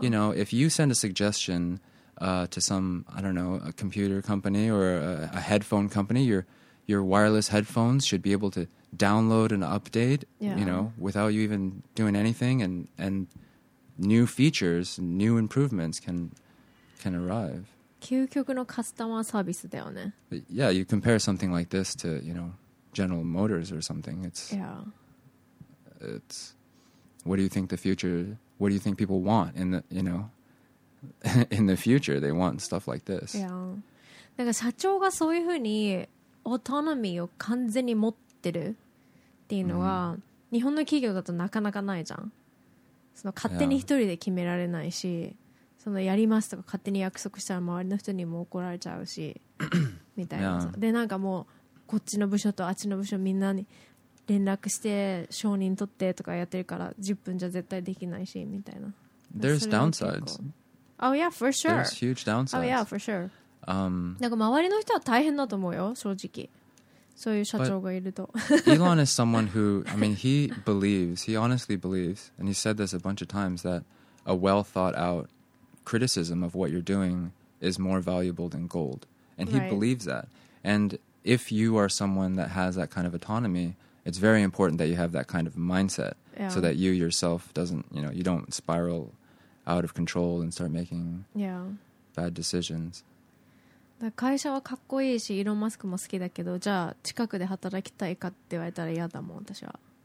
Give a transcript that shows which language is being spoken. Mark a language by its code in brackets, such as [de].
[en] You know, if you send a suggestion to some, I don't know, a computer company or a headphone company, your wireless headphones should be able to download an update, yeah. you know, without you even doing anything, and new features, new improvements can arrive. [ja] 究極のカスタマーサービスだよね。 [en] Yeah, you compare something like this to, you know, General Motors or something. It's what do you think the future, what do you think people want in the, you know, in the future, they want stuff like this. Yeah. [ja] なんか社長がそういうふうにオートノミーを完全に持ってるっていうのは、mm-hmm. 日本の企業だとなかなかないじゃん。その勝手に一人で決められないし、yeah. そのやりますとか勝手に約束したら周りの人にも怒られちゃうしみたいな。 [en] Yeah. [ja] でなんかもうこっちの部署とあっちの部署みんなに連絡して承認取ってとかやってるから10分じゃ絶対できないしみたいな。 [en] There's downsides. Oh yeah, for sure. There's huge downsides. Oh yeah, for sure. [ja] なんか周りの人は大変だと思うよ、正直。そういう社長がいると。 [en] Elon is someone who, I mean, he believes, he honestly believes, and he said this a bunch of times, that a well-thought-out criticism of what you're doing is more valuable than gold. And he right. believes that. And if you are someone that has that kind of autonomy, it's very important that you have that kind of mindset yeah. so that you yourself doesn't, you know, you don't spiral out of control and start making yeah. bad decisions. [ja] だ会社はかっこいいしイーロンマスクも好きだけどじゃあ近くで働きたいかって言われたら嫌だもん私は、